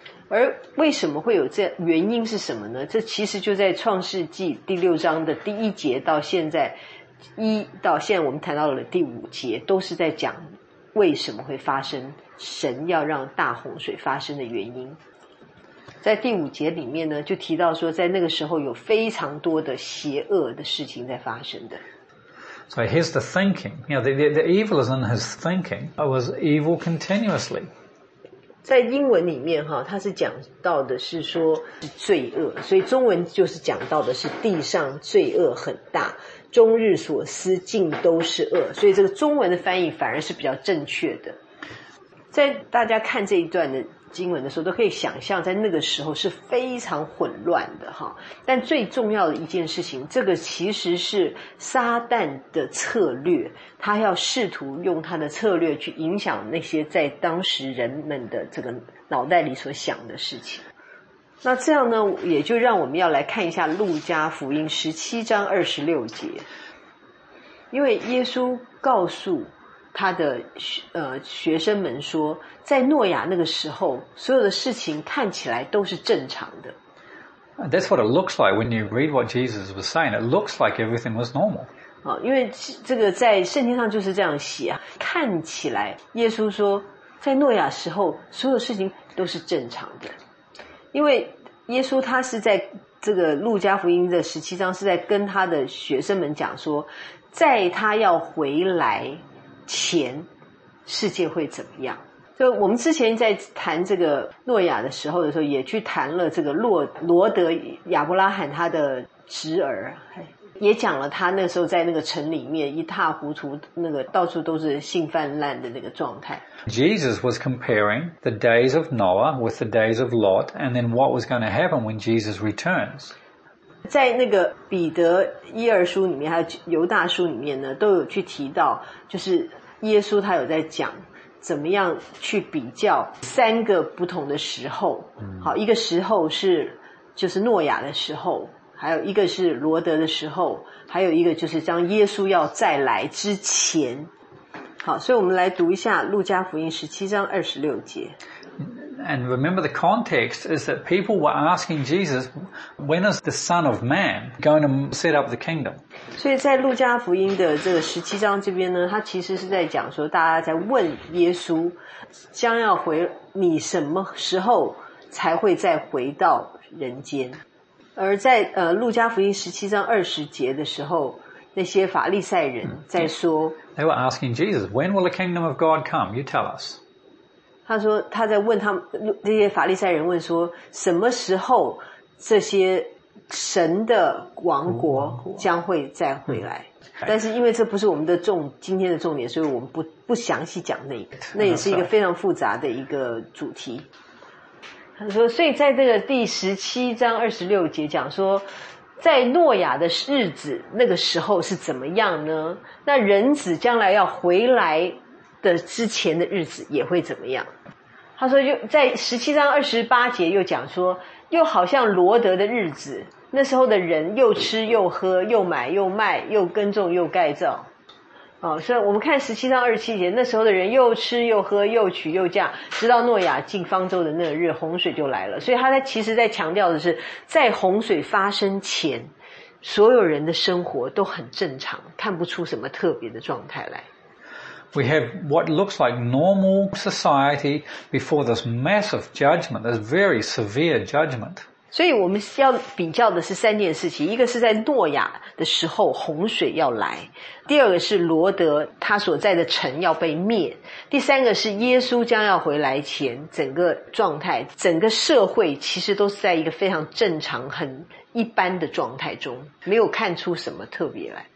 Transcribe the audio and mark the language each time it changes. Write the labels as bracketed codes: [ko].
[zh] 而为什么会有这原因是什么呢？这其实就在创世纪第六章的第一节到现在，一到现在我们谈到了第五节，都是在讲为什么会发生，神要让大洪水发生的原因。在第五节里面呢，就提到说，在那个时候有非常多的邪恶的事情在发生的。 [en] So here's the thinking. You know, the evil is in his thinking. It was evil continuously. [zh] 在英文里面哈，它是讲到的是说是罪恶，所以中文就是讲到的是地上罪恶很大，终日所思尽都是恶。所以这个中文的翻译反而是比较正确的。在大家看这一段的经文的时候，都可以想象在那个时候是非常混乱的哈。但最重要的一件事情，这个其实是撒旦的策略，他要试图用他的策略去影响那些在当时人们的这个脑袋里所想的事情。那这样呢，也就让我们要来看一下路加福音17章26节，因为耶稣告诉他的学生们说，在诺亚那个时候，所有的事情看起来都是正常的。 [en] That's what it looks like when you read what Jesus was saying. It looks like everything was normal. [zh] 因为这个在圣经上就是这样写啊，看起来耶稣说，在诺亚时候，所有事情都是正常的。因为耶稣他是在这个路加福音的十七章是在跟他的学生们讲说，在他要回来前世界会怎么样。就我们之前在谈这个诺亚的时候的时候，也去谈了这个罗德亚伯拉罕他的侄儿，也讲了他那时候在那个城里面一塌糊涂，那个到处都是性泛滥的那个状态。 [en] Jesus was comparing the days of Noah with the days of Lot and then what was going to happen when Jesus returns。 [zh] 在那个彼得一二书里面还有犹大书里面呢，都有去提到，就是耶稣他有在讲怎么样去比较三个不同的时候。好，一个时候是就是诺亚的时候，还有一个是罗德的时候，还有一个就是将耶稣要再来之前。好，所以我们来读一下路加福音17章26节。 [en] And remember the context is that people were asking Jesus, when is the Son of Man going to set up the kingdom? [zh] 所以在路加福音的这个十七章这边呢，他其实是在讲说，大家在问耶稣，将要回，你什么时候才会再回到人间？而在路加福音十七章二十节的时候，那些法利赛人在说 [en] ，They were asking Jesus, when will the kingdom of God come? You tell us. [zh] 他说他在问他们，这些法利赛人问说，什么时候这些神的王国将会再回来。但是因为这不是我们的今天的重点，所以我们不详细讲那个，那也是一个非常复杂的一个主题。他说，所以在这个第十七章二十六节讲说，在诺亚的日子那个时候是怎么样呢？那人子将来要回来的之前的日子也会怎么样？他说，又在十七章二十八节又讲说，又好像罗德的日子，那时候的人又吃又喝，又买又卖，又耕种又盖造。所以我们看十七章二十七节，那时候的人又吃又喝，又娶又嫁，直到诺亚进方舟的那日，洪水就来了。所以他其实在强调的是，在洪水发生前，所有人的生活都很正常，看不出什么特别的状态来。 [en] We have what looks like normal society before this massive judgment, this very severe judgment. [zh] 所以我们要比较的是三件事情，一个是在诺亚的时候洪水要来，第二个是罗德他所在的城要被灭，第三个是耶稣将要回来前整个状态，整个社会其实都是在一个非常正常很一般的状态中，没有看出什么特别来。